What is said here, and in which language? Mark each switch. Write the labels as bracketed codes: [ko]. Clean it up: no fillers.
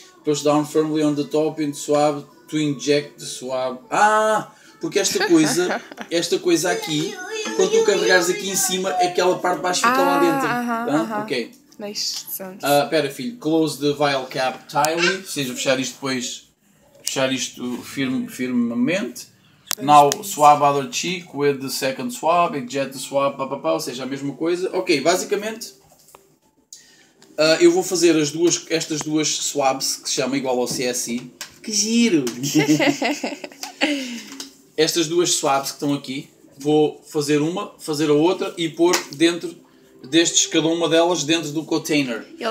[en] Push down firmly on the top and swab to inject the swab. Ah! [pt] Porque esta coisa aqui, quando tu carregares aqui em cima, aquela parte de baixo fica lá dentro. Ok. Espera, filho. [en] Close the vial cap tightly. [pt] Ou seja, fechar isto depois. Fechar isto firmemente. [en] Now swab other cheek with the second swab. Inject the swab. Blah, blah, blah. [pt] Ou seja, a mesma coisa. Ok, basicamente. Eu vou fazer estas duas swabs, que se chama igual ao CSI. Que giro! Estas duas swabs que estão aqui, vou fazer uma, fazer a outra e pôr dentro destes, cada uma delas, dentro do container.